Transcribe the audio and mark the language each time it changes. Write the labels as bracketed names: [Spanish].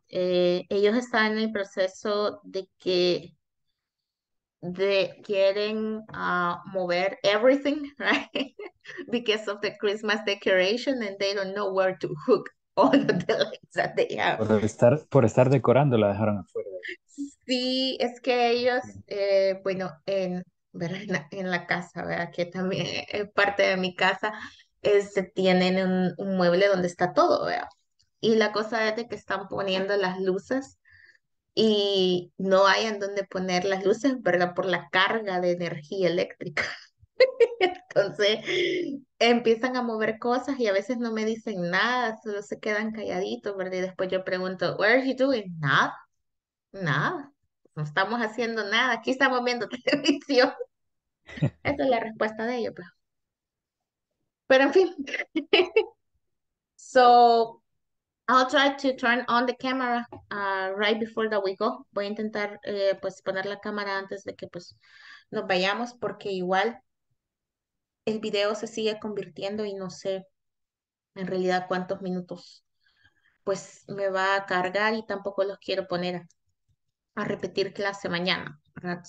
[Spanish] Ellos están en el proceso de que quieren mover [English] everything, right? Because of the Christmas decoration and they don't know where to hook all the lights that they have. [Spanish] Por estar decorando, la dejaron afuera. Sí, es que ellos, bueno, en la casa, ¿verdad? Que también es parte de mi casa, tienen un mueble donde está todo, ¿verdad? Y la cosa es de que están poniendo las luces y no hay en dónde poner las luces, ¿verdad? Por la carga de energía eléctrica. Entonces, empiezan a mover cosas y a veces no me dicen nada, solo se quedan calladitos, ¿verdad? Y después yo pregunto, [English] ¿What are you doing? [Spanish] Nada, nada. No estamos haciendo nada, aquí estamos viendo televisión. Esa es la respuesta de ellos. Pero en fin. [English] So, I'll try to turn on the camera right before that we go. [Spanish] Voy a intentar pues poner la cámara antes de que pues nos vayamos porque igual el video se sigue convirtiendo y no sé en realidad cuántos minutos pues me va a cargar y tampoco los quiero poner a repetir clase mañana, ¿verdad?